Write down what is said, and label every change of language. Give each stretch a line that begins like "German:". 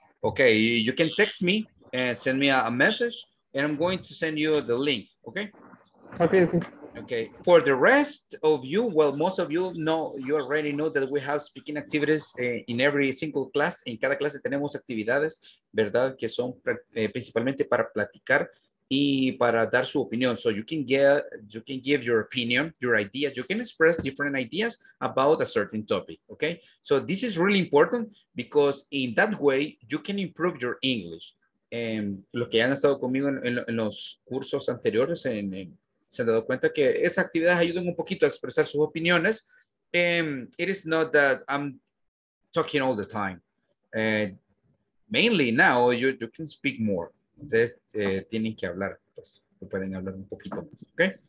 English: Okay, you can text me and send me a message, and I'm going to send you the link, okay? Okay. Okay, for the rest of you, well, most of you know, you already know that we have speaking activities in every single class.
Spanish: En cada clase tenemos actividades, ¿verdad? Que son principalmente para platicar y para dar su opinión.
English: So you can give your opinion, your ideas. You can express different ideas about a certain topic, okay? So this is really important because in that way, you can improve your English.
Spanish: Los que han estado conmigo en los cursos anteriores, en se han dado cuenta que esas actividades ayudan un poquito a expresar sus opiniones.
English: It is not that I'm talking all the time. Mainly now, you can speak more.
Spanish: Entonces, tienen que hablar, pues, pueden hablar un poquito más, ¿ok?